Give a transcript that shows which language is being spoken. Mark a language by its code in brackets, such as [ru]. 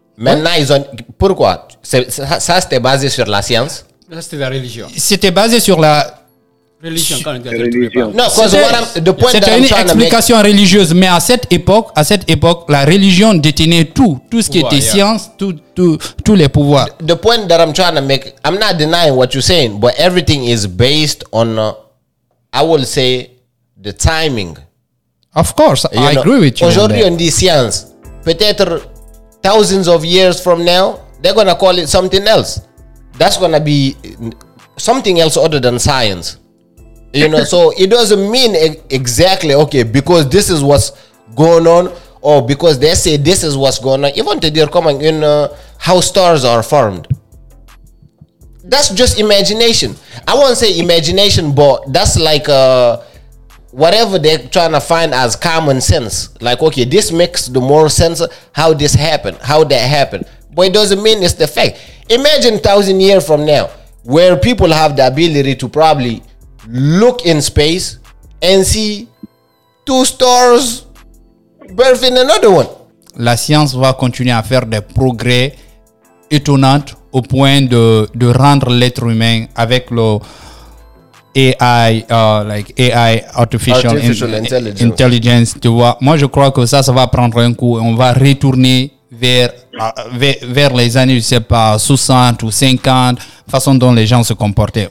[fr] Maintenant, ils ont... Pourquoi? Ça, c'était basé sur la science. Ça, c'était la religion. C'était basé sur la... Religion, quand on dit la religion. Non, c'était une explication religieuse. Mais à cette époque, la religion détenait tout. Tout ce qui était science, tous les pouvoirs. [en] The point that I'm trying to make, I'm not denying what you're saying, but everything is based on, I will say, the timing. Of course, you I know, agree with you. [fr] Aujourd'hui, on dit science. Peut-être... [en] Thousands of years from now, they're gonna call it something else. That's gonna be something else other than science. You know, so it doesn't mean exactly, okay, because this is what's going on, or because they say this is what's going on. Even to their comment, you know, how stars are formed. That's just imagination. I won't say imagination, but that's like whatever they're trying to find as common sense. Like, okay, this makes the more sense how this happened, how that happened. But it doesn't mean it's the fact. Imagine 1,000 years from now where people have the ability to probably look in space and see two stars birthing another one. [fr] La science va continuer à faire des progrès étonnants au point de rendre l'être humain avec le... [en] AI, like AI, artificial intelligence, [fr] tu vois. Moi, je crois que ça va prendre un coup et on va retourner vers les années, je sais pas, 60 ou 50, façon dont les gens se comportaient.